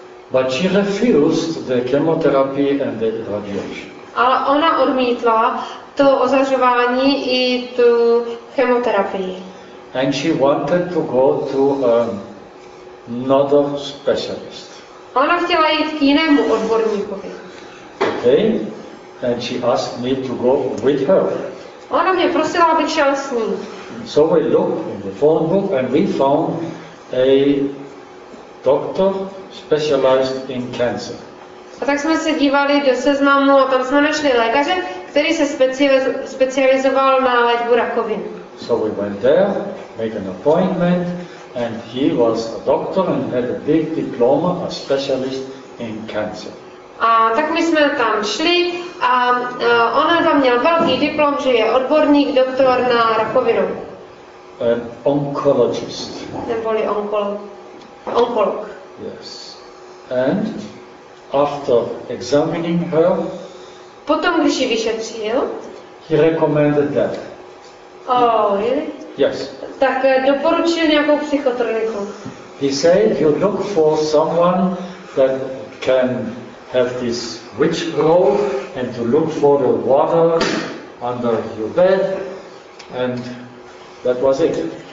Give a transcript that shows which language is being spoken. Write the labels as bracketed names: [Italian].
[English] But she refused the chemotherapy and the irradiation. [Czech] Ale ona odmítla to ozařování i tu chemoterapii. [English] And she wanted to go to another specialist. [Czech] Ona chtěla jít k jinému odborníkovi. [English] Okay. And she asked me to go with her. [Czech] Ona mě prosila, aby šel s ní. [English] So we looked in the phone book and we found a doctor specialized in cancer. [Czech] A tak jsme se dívali do seznamu a tam jsme našli lékaře, který se specializoval na léčbu rakoviny. [English] So we went there, made an appointment, and he was a doctor and had a big diploma, a specialist in cancer. [Czech] A tak my jsme tam šli a on tam měl velký diplom, že je odborník, doktor na rakovinu. [English] An oncologist. [Czech] Neboli onkolog. [English] Yes. And after examining her, [Czech] potom, když ji vyšetřil, [English] he recommended that. Oh, really? Yes. [Czech] Tak doporučil nějakou psychotroniku. [English] He said you look for someone that can have this witch robe and to look for the water under your bed, and that was it.